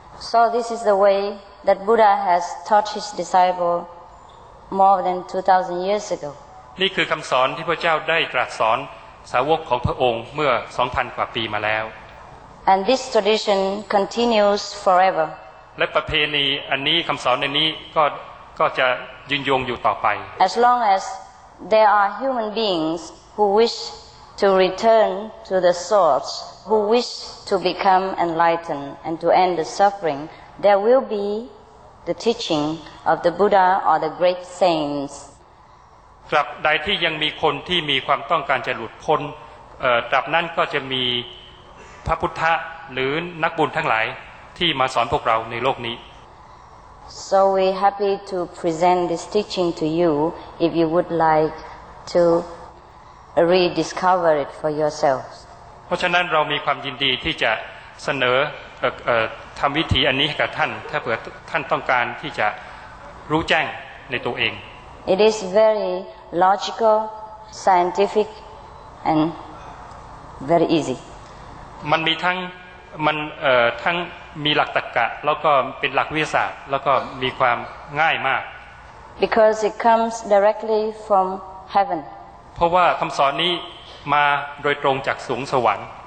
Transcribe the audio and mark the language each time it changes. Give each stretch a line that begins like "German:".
English: So this is the way that Buddha has taught his disciple more than 2,000 years ago.
Thai: นี่คือคำสอนที่พระเจ้าได้ตรัสสอนสาวกของพระองค์เมื่อ 2,000 กว่าปีมาแล้ว
English: And this tradition continues forever.
Thai: และประเพณีอันนี้คำสอนในนี้ก็จะยืนยงอยู่ต่อไป
English: As long as there are human beings who wish to return to the source who wish to become enlightened and to end the suffering, there will be the teaching of the Buddha or the great saints.
Thai: ตราบใดที่ยังมีคนที่มีความต้องการจะหลุดพ้นตราบนั้นก็จะมีพระพุทธะหรือนักบุญทั้งหลายที่มาสอนพวกเราในโลกนี้
English: So we happy to present this teaching to you if you would like to rediscover it for yourselves
Thai: เพราะฉะนั้นเรามีความยินดีที่จะเสนอทำวิธีอันนี้ให้กับท่านถ้าเผื่อท่านต้องการที่จะรู้แจ้งในตัวเอง
English: It is very logical scientific and very easy
Thai: มันมีทั้งมันทั้งมีหลักตรรกะแล้วก็เป็นหลักวิทยาศาสตร์แล้วก็มีความง่ายมาก
English: because it comes directly from heaven
Thai: เพราะว่าคำสอนนี้มาโดยตรงจากสูงสวรรค